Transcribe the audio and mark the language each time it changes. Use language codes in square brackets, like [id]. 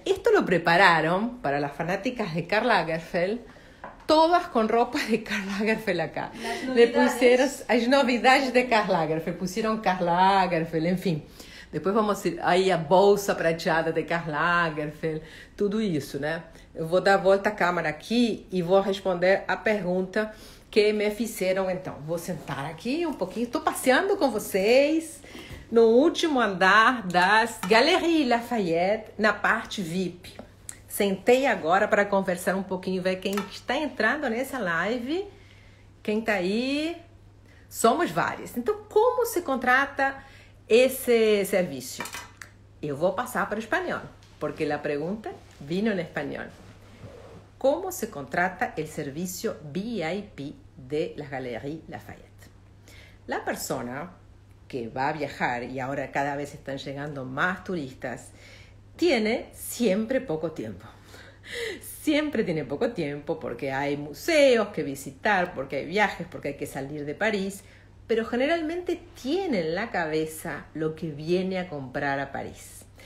[es] Esto lo prepararon para las fanáticas de Karl Lagerfeld. Todas con ropa de Karl Lagerfeld acá. Le pusieron, hay novedades de Karl Lagerfeld. Pusieron Karl Lagerfeld, en fin. Después vamos a ir ahí a bolsa prateada de Karl Lagerfeld. [pt] Tudo isso, né? Eu vou dar a volta à câmera aqui e vou responder a pergunta que me fizeram. Então, vou sentar aqui um pouquinho. Estou passeando com vocês no último andar das Galeries Lafayette, na parte VIP. Sentei agora para conversar um pouquinho, ver quem está entrando nessa live. Quem está aí? Somos várias. Então, como se contrata esse serviço? Eu vou passar para o espanhol, porque a pergunta vino em espanhol. [es] ¿Cómo se contrata el servicio VIP de las Galeries Lafayette? La persona que va a viajar, y ahora cada vez están llegando más turistas, tiene siempre poco tiempo. Siempre tiene poco tiempo porque hay museos que visitar, porque hay viajes, porque hay que salir de París, pero generalmente tiene en la cabeza lo que viene a comprar a París.